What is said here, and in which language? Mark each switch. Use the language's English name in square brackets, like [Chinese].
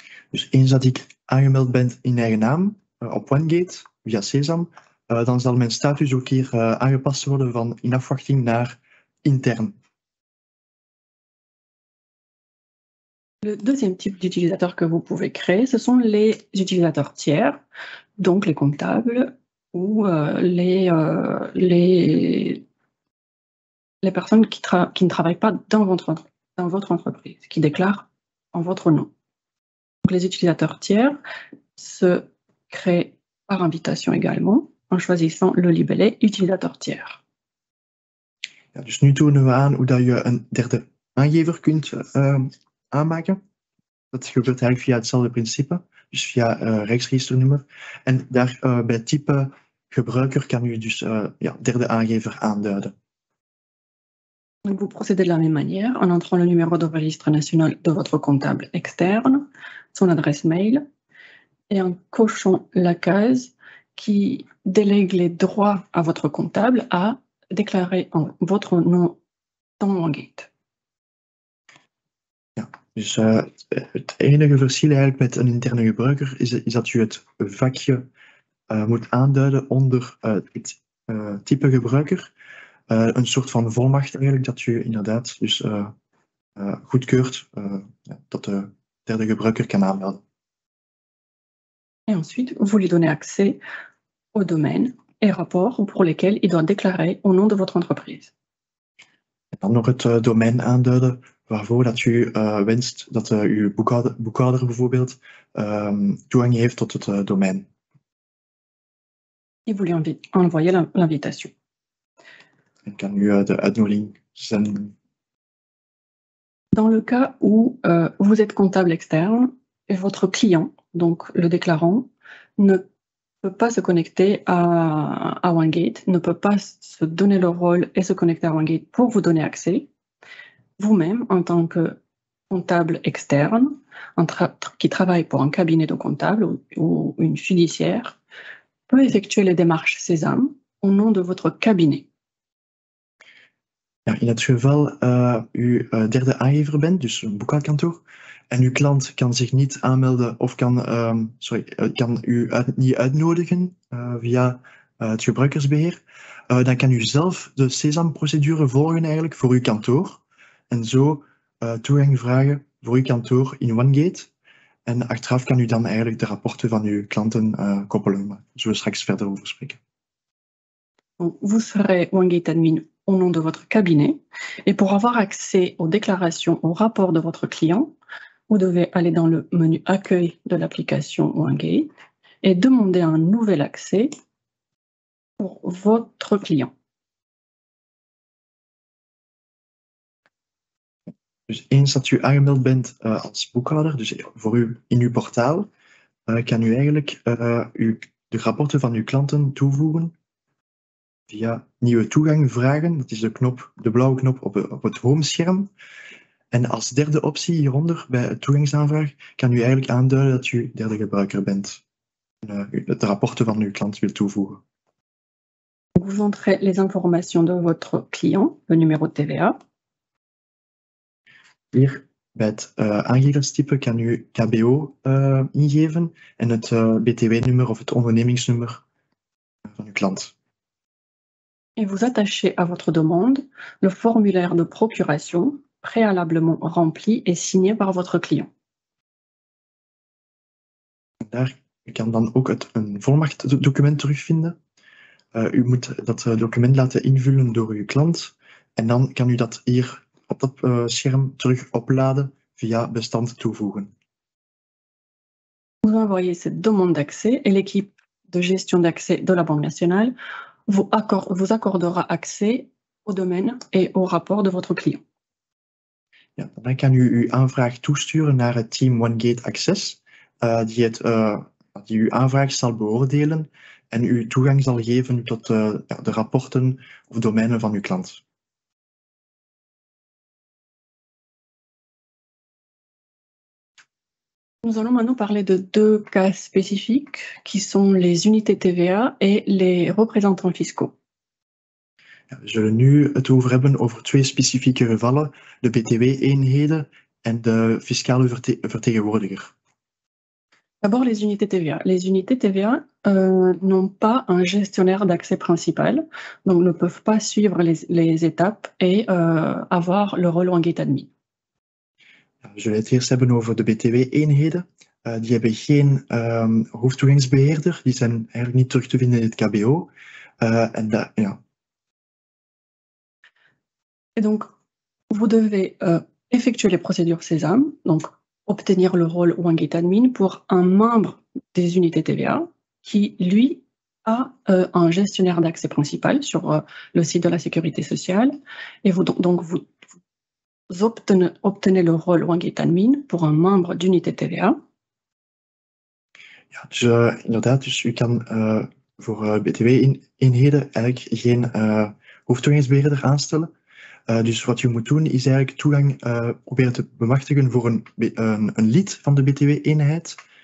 [Dutch] Dus eens dat ik aangemeld ben in eigen naam op OneGate via CESAM, dan zal mijn status ook hier aangepast worden van in afwachting naar intern. [French] Le deuxième type d'utilisateur que vous pouvez créer, ce sont les utilisateurs tiers, donc les comptables ou les personnes qui ne travaillent pas dans votre entreprise, qui déclarent en votre nom. Les utilisateurs tiers se créent par invitation également en choisissant le libellé utilisateur tiers. [Dutch] Ja, dus nu tonen we aan hoe dat je een derde aangever kunt aanmaken. Dat gebeurt eigenlijk via hetzelfde principe, dus via rechtsregisternummer. En daar bij type gebruiker kan je dus derde aangever aanduiden. [French] Donc vous procédez de la même manière en entrant le numéro de registre national de votre comptable externe, son adresse mail, et en cochant la case qui délègue les droits à votre comptable à déclarer en votre nom dans OneGate. [Dutch] Ja, dus het enige verschil eigenlijk met een interne gebruiker is dat je het vakje moet aanduiden onder het type gebruiker. Een soort van volmacht eigenlijk dat je inderdaad dus goedkeurt dat de derde gebruiker kan aanmelden. [French] Et ensuite, vous lui donnez accès au domaine et rapport pour lesquels il doit déclarer au nom de votre entreprise. [Dutch] En dan nog het domein aanduiden waarvoor dat u wenst dat uw boekhouder bijvoorbeeld toegang heeft tot het domein. [French] Et vous lui envoyez l'invitation. [Dutch] En kan u de uitnodiging zenden. [French] Dans le cas où vous êtes comptable externe et votre client, donc le déclarant, ne peut pas se connecter à OneGate, ne peut pas se donner le rôle et se connecter à OneGate pour vous donner accès, vous-même, en tant que comptable externe, qui travaille pour un cabinet de comptable ou une fiduciaire, peut effectuer les démarches CESAM au nom de votre cabinet. [Dutch] Ja, in het geval u derde aangever bent, dus een boekhoudkantoor, en uw klant kan zich niet aanmelden of kan, kan u niet uitnodigen via het gebruikersbeheer, dan kan u zelf de CESAM-procedure volgen eigenlijk voor uw kantoor en zo toegang vragen voor uw kantoor in OneGate. En achteraf kan u dan eigenlijk de rapporten van uw klanten koppelen, maar daar zullen we straks verder over spreken. [French] Vous serez OneGate admin au nom de votre cabinet et pour avoir accès aux déclarations, aux rapports de votre client, vous devez aller dans le menu accueil de l'application OneGate et demander un nouvel accès pour votre client. [Dutch] Dus eens dat u aangemeld bent als boekhouder, dus voor u in uw portaal, kan u eigenlijk de rapporten van uw klanten toevoegen. Via nieuwe toegang vragen, dat is de blauwe knop op het homescherm. En als derde optie hieronder bij het toegangsaanvraag kan u eigenlijk aanduiden dat u derde gebruiker bent. En de rapporten van uw klant wil toevoegen. U [French] vous entrez les informations de votre client, le numéro de TVA. [Dutch] Hier, met aangiftestype kan u KBO ingeven en het BTW-nummer of het ondernemingsnummer van uw klant. [French] Et vous attachez à votre demande le formulaire de procuration préalablement rempli et signé par votre client. [Dutch] Daar kan dan ook een volmachtdocument terugvinden. U moet dat document laten invullen door uw klant en dan kan u dat hier op dat scherm terug opladen via bestand toevoegen. [French] Vous envoyez cette demande d'accès et l'équipe de gestion d'accès de la Banque nationale vous accordera accès au domaine et au rapport de votre client. [Dutch] Ja, dan kan u uw aanvraag toesturen naar het team OneGate Access, die uw aanvraag zal beoordelen en u toegang zal geven tot de rapporten of domeinen van uw klant. [French] Nous allons maintenant parler de deux cas spécifiques qui sont les unités TVA et les représentants fiscaux. [Dutch] Ja, we zullen nu het over hebben over twee specifieke gevallen, de BTW-eenheden en de fiscale vertegenwoordiger. [French] D'abord les unités TVA. Les unités TVA n'ont pas un gestionnaire d'accès principal, donc ne peuvent pas suivre les étapes et avoir le rôle en gate admin. [Dutch] We zullen het eerst hebben over de BTW-eenheden. Die hebben geen hoeftoegangsbeheerder. Die zijn eigenlijk niet terug te vinden in het KBO. [French] Et donc, vous devez effectuer les procédures SESAM, donc obtenir le rôle OneGate Admin pour un membre des unités TVA qui, lui, a un gestionnaire d'accès principal sur le site de la Sécurité sociale. Et vous, donc, vous obtenez le rôle OneGate Admin pour un membre d'unité TVA. [Dutch] Ja, dus inderdaad, dus u kan voor BTW-eenheden eigenlijk geen hoeftoegangsbeheerder aanstellen. Dus wat u moet doen, is eigenlijk toegang proberen te bemachtigen voor een lid van de BTW-eenheid.